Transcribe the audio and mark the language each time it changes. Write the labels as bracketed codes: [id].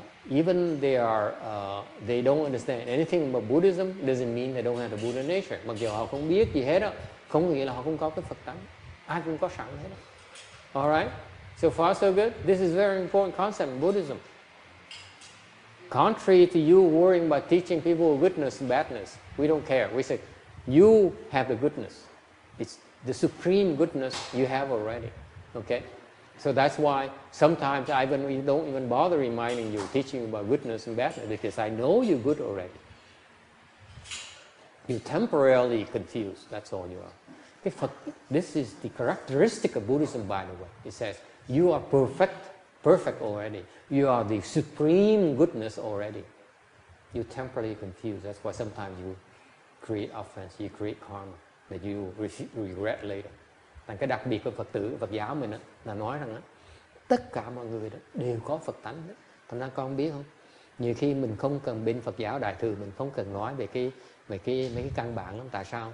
[en] Even they don't understand anything about Buddhism doesn't mean they don't have the Buddha nature. [vi] Mặc dù họ không biết gì hết đó, không nghĩa là họ không có cái Phật tánh. Ai cũng có sẵn hết. [en] Alright? So far so good. This is a very important concept in Buddhism. Contrary to you worrying about teaching people goodness and badness, we don't care. We say, you have the goodness. It's the supreme goodness you have already. Okay? So that's why sometimes I even don't even bother reminding you, teaching you about goodness and badness, because I know you're good already. You're temporarily confused. That's all you are. Okay, this is the characteristic of Buddhism, by the way. It says you are perfect already. You are the supreme goodness already. You're temporarily confused. That's why sometimes you create offense, you create karma that you regret later. [vi] Thành cái đặc biệt của Phật tử, Phật giáo mình đó, là nói rằng đó, tất cả mọi người đó đều có Phật tánh đó. Thành ra con biết không? Nhiều khi mình không cần bên Phật giáo Đại Thừa, mình không cần nói về mấy cái căn bản lắm. Tại sao?